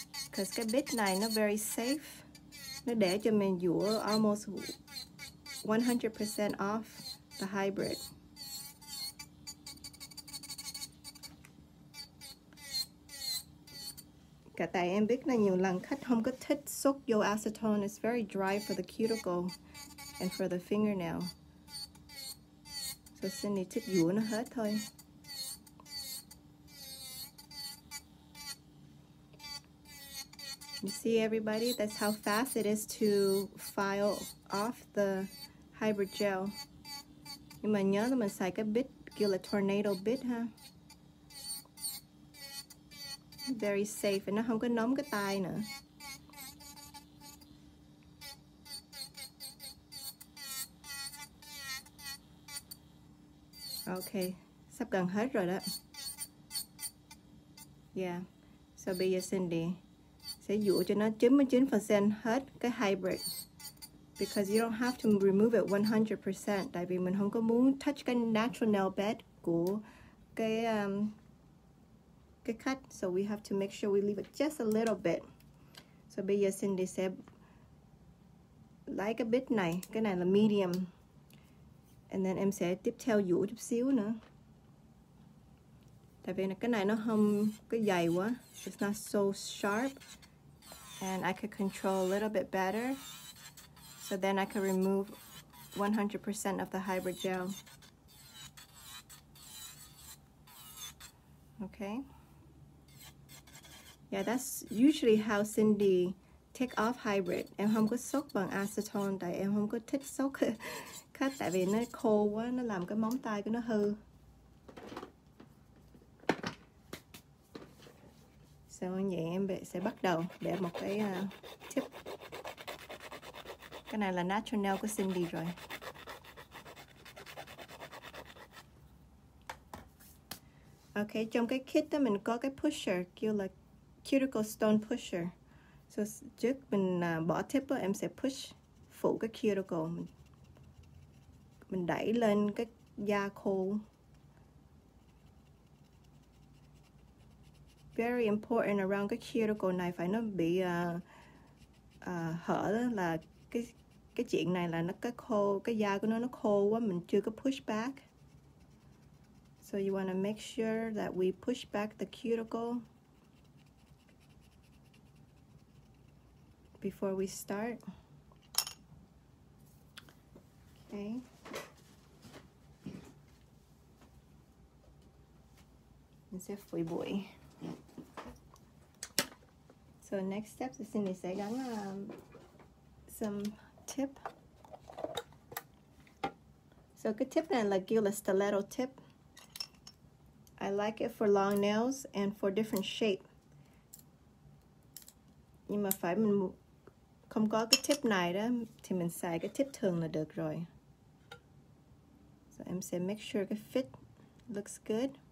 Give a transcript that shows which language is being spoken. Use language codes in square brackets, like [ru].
[vi] Cause cái bit này nó [en] very safe. [vi] Nó để cho mình dũa [en] almost 100% off the hybrid. [vi] Cả tại em biết là nhiều lần khách không có thích sốt vô acetone. [en] It's very dry for the cuticle and for the fingernail. [vi] So Cindy thích dũa nó hết thôi. [en] You see everybody, that's how fast it is to file off the hybrid gel. [vi] Nhưng mà nhớ là mình xài cái bit kêu là tornado bit ha. [en] Very safe, and [vi] nó không có nóng cái tay nữa. Okay, sắp gần hết rồi đó. Yeah. So bây giờ Cindy sẽ dụ cho nó 99% hết cái hybrid. [en] Because you don't have to remove it 100%. [vi] Tại vì mình không có muốn touch cái natural nail bed của cái cut. [en] So we have to make sure we leave it just a little bit. [vi] So bây giờ Cindy sẽ lấy cái bit này. Cái này là medium. And then em sẽ tiếp theo dụ chút xíu nữa. Tại vì cái này nó không có dày quá. [en] It's not so sharp. And I could control a little bit better. So then I could remove 100% of the hybrid gel. Okay. Yeah, that's usually how Cindy take off hybrid. [vi] Em không có soak bằng acetone. Tại em không có thích soak cut. Tại vì nó khô quá. Nó làm cái móng tay của nó hư. Sau so, vậy em sẽ bắt đầu để một cái tip. Cái này là natural nail của Cindy rồi. Ok, trong cái kit đó mình có cái pusher kêu là cuticle stone pusher. So trước mình bỏ tip đó, em sẽ push phủ cái cuticle. Mình đẩy lên cái da khô. Very important around cái cuticle này phải nó bị hở là cái chuyện này là nó cái khô, cái da của nó khô quá mình chưa có push back. [en] So you want to make sure that we push back the cuticle before we start. Okay. [vi] Mình sẽ phủi bụi. [en] So next step is Cindy [vi] sẽ gắn [en] some tip. [vi] So cái tip này là kêu là stiletto tip. [en] I like it for long nails and for different shape. [vi] Nhưng mà phải mình không có cái tip này đó thì mình xài cái tip thường là được rồi. So em sẽ make sure cái fit looks good.